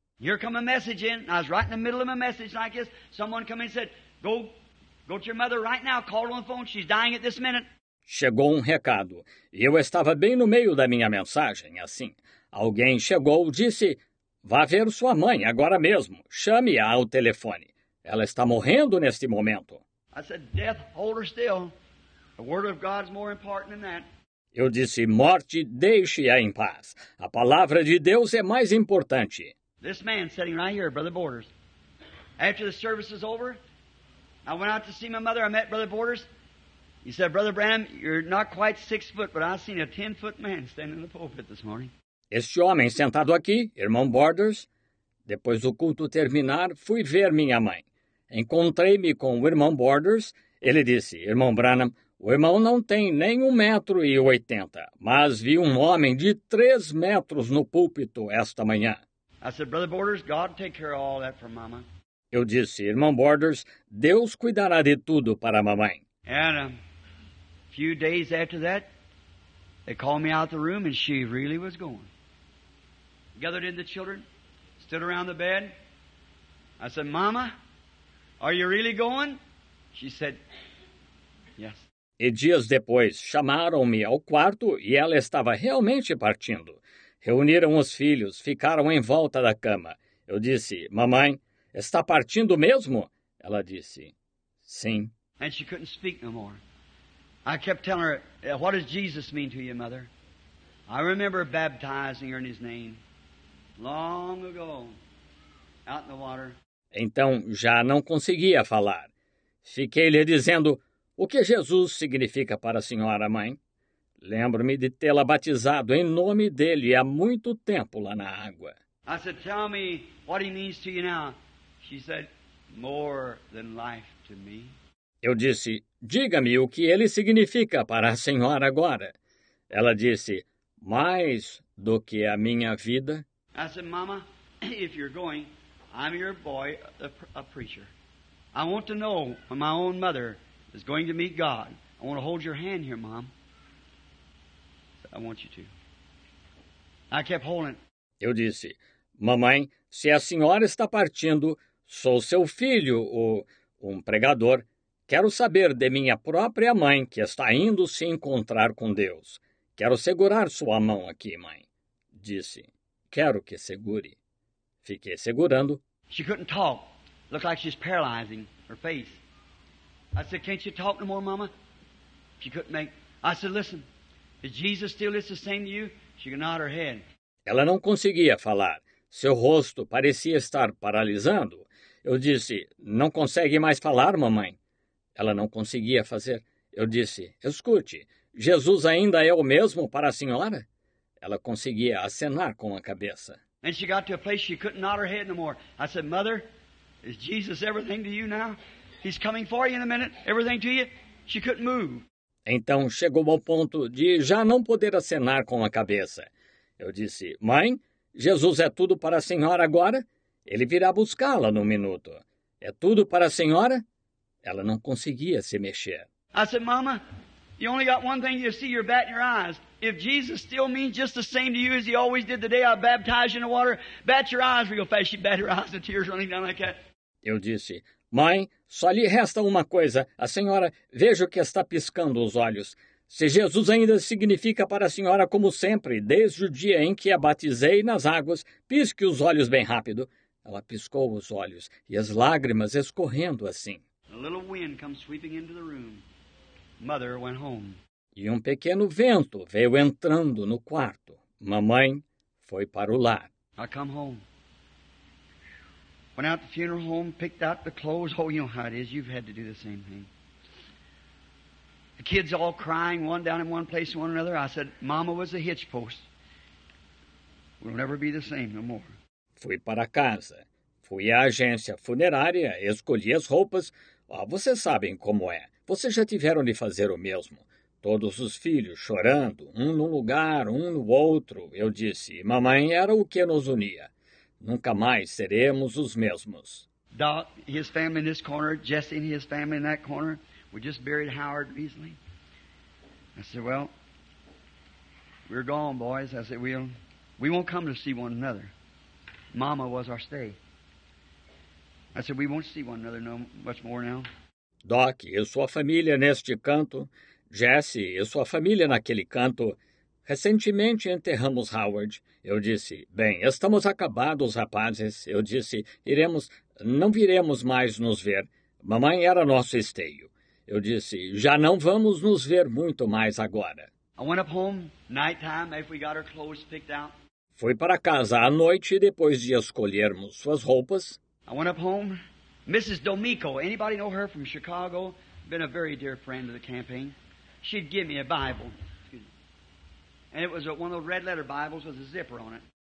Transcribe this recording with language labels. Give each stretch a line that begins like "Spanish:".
English: Here come a message in. I was right in the middle of a message like this. Someone came in and said, go to your mother right now. Call her on the phone. She's dying at this minute."
Portuguese: Chegou um recado. Eu estava bem no meio da minha mensagem, assim. Alguém chegou e disse, "Vá ver sua mãe agora mesmo. Chame-a ao telefone. Ela está morrendo neste momento."
English: I said, "Death, hold her still. The word of God is more important than that."
Portuguese: Eu disse, "Morte, deixe-a em paz. A palavra de Deus é mais importante."
English: This man sitting right here, Brother Borders. After the service is over, I went out to see my mother. I met Brother Borders. He said, "Brother Branham, you're not quite 6 foot, but I've seen a 10-foot man standing in the pulpit this morning."
Portuguese: Este homem sentado aqui, irmão Borders, depois do culto terminar, fui ver minha mãe. Encontrei-me com o irmão Borders. Ele disse, "Irmão Branham, o irmão não tem nem 1,80 m, mas vi um homem de 3 metros no púlpito esta manhã."
English: I said, "Brother Borders, God take care of all that for Mama."
Portuguese: Eu disse, "Irmão Borders, Deus cuidará de tudo para a mamãe."
English: And a few days after that, they called me out of the room and she really was going. Gathered in the children, stood around the bed. I said, "Mama, are you really going?" She said, "Yes."
Portuguese: E dias depois, chamaram-me ao quarto e ela estava realmente partindo. Reuniram os filhos, ficaram em volta da cama. Eu disse, "Mamãe, está partindo mesmo?" Ela disse, "Sim."
English: And she couldn't speak no more. I kept telling her, "What does Jesus mean to you, Mother? I remember baptizing her in his name long ago, out in the water."
Portuguese: Então, já não conseguia falar. Fiquei lhe dizendo, "O que Jesus significa para a senhora, mãe? Lembro-me de tê-la batizado em nome dele há muito tempo lá na água."
English: I said, "Tell me what he means to you now." She said, "More than life to me."
Portuguese: Eu disse, "Diga-me o que ele significa para a senhora agora." Ela disse, "Mais do que a minha vida."
English: I said, "Mama, if you're going, I'm your boy, a preacher. I want to know when my own mother is going to meet God. I want to hold your hand here, Mom. I want you to." I kept holding.
Portuguese: Eu disse, "Mamãe, se a senhora está partindo, sou seu filho, um pregador. Quero saber de minha própria mãe, que está indo se encontrar com Deus. Quero segurar sua mão aqui, mãe." Disse, "Quero que segure." Fiquei segurando.
English: She couldn't talk. Looked like she's paralyzing her face. I said, "Can't you talk no more, Mama?" She couldn't make. I said, "Listen. Is Jesus still is the same to you?" She nodded her head.
Portuguese: Ela não conseguia falar. Seu rosto parecia estar paralisando. Eu disse, não consegue mais falar, mamãe. Ela não conseguia fazer. Eu disse, escute, Jesus ainda é o mesmo para a senhora? Ela conseguia acenar com a cabeça.
English: And she got to a place she couldn't nod her head no more. I said, mother, is Jesus everything to you now? He's coming for you in a minute, everything to you. She couldn't move.
Portuguese: Então chegou ao ponto de já não poder acenar com a cabeça. Eu disse, mãe, Jesus é tudo para a senhora agora? Ele virá buscá-la num minuto. É tudo para a senhora? Ela não conseguia se mexer.
English: I said, mama, you only got one thing to see, you're batting your eyes. If Jesus still means just the same to you as he always did the day I baptized you in the water, bat your eyes real fast. She bat her eyes, the tears running down like that.
Portuguese: Eu disse, mãe, só lhe resta uma coisa. A senhora, vejo que está piscando os olhos. Se Jesus ainda significa para a senhora como sempre, desde o dia em que a batizei nas águas, pisque os olhos bem rápido. Ela piscou os olhos e as lágrimas escorrendo assim.
English: A little wind comes sweeping into the room. Mother went home.
Portuguese: E um pequeno vento veio entrando no quarto. Mamãe foi para o lar.
English: I come home. Went out to the funeral home, picked out the clothes. Oh, you know how it is. You've had to do the same thing. The kids all crying, one down in one place and one another. I said, Mama was a hitch post. We'll never be the same no more.
Portuguese: Fui para casa. Fui à agência funerária, escolhi as roupas. Ah, vocês sabem como é. Vocês já tiveram de fazer o mesmo. Todos os filhos chorando, um no lugar, um no outro. Eu disse, mamãe era o que nos unia. Nunca mais seremos os mesmos.
English: Doc, his family in this corner, Jesse and his family in that corner. We just buried Howard recently. I said, well, we're gone, boys. I said, we won't come to see one another. Mama was our stay. I said, we won't see one another no much more now.
Portuguese: Doc e sua família neste canto, Jesse e sua família naquele canto, recentemente enterramos Howard. Eu disse, bem, estamos acabados, rapazes. Eu disse, iremos, não viremos mais nos ver. Mamãe era nosso esteio. Eu disse, já não vamos nos ver muito mais agora.
English: I went up home, nighttime, after we got our clothes picked out.
Portuguese: Fui para casa à noite depois de escolhermos suas roupas.
English: I went up home. Mrs. D'Amico, anybody know her from Chicago? Been a very dear friend of the campaign. She'd give me a Bible. Excuse me. And it was one of those red letter Bibles with a zipper on it.